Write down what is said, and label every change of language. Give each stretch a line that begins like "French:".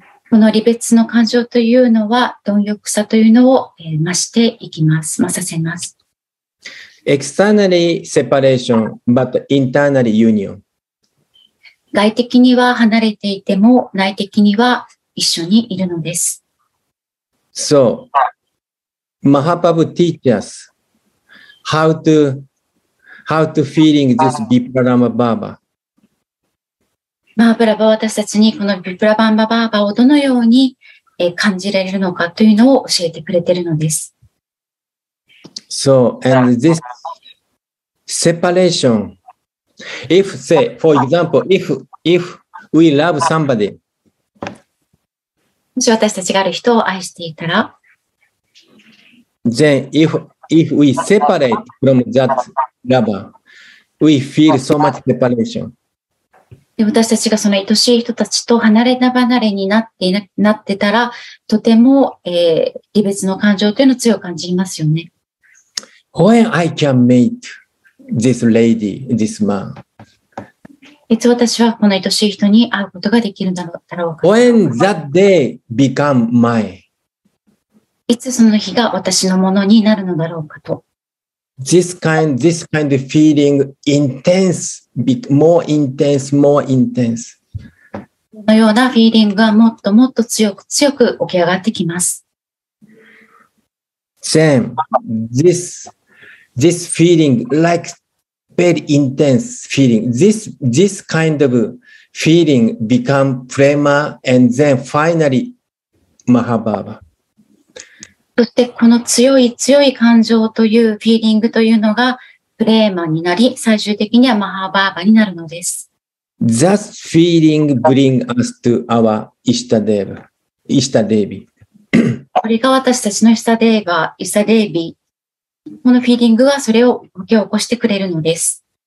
Japanese: この離別の感情というのは、貪欲さというのを増していきます、増させます。
English: Externally separation, but internally union.
Japanese: 外的には離れていても、内的には一緒にいるのです。
English: So, Mahaprabhu teaches us how to feeling this Viparamba Bhava.
Japanese: Mahaprabhu は私たちにこの Viparamba Bhava をどのように感じられるのかというのを教えてくれているのです。
English: So, and this separation, if say, for example, if we love somebody,
Japanese: もし私たちがある人を愛していたら、
English: then if we separate from that lover,We feel so much separation.
Japanese: 私たちがその愛しい人たちと離れ離れになって、なってたら、とても、離別の感情というのを強く感じますよね。
English: When I can meet this lady, this man?
Japanese: いつ私はこの愛しい人に会うことができるんだろうか。
English: When that day become mine?
Japanese: いつその日が私のものになるのだろうかと。
English: This kind of feeling intense, more intense.
Japanese: このようなフィーリングはもっともっと強く起き上がってきます。
English: Then, this feeling, like very intense feeling, this kind of feeling become prema and then finally mahabhava.
Japanese: そして、この強い感情というフィーリングというのが、プレーマーになり、最終的にはマハバーバになるのです。
English: That feeling brings us to our Ishtadevi.
Japanese: これが私たちのイシタデーヴィ。このフィーリングはそれを起き起こしてくれるのです。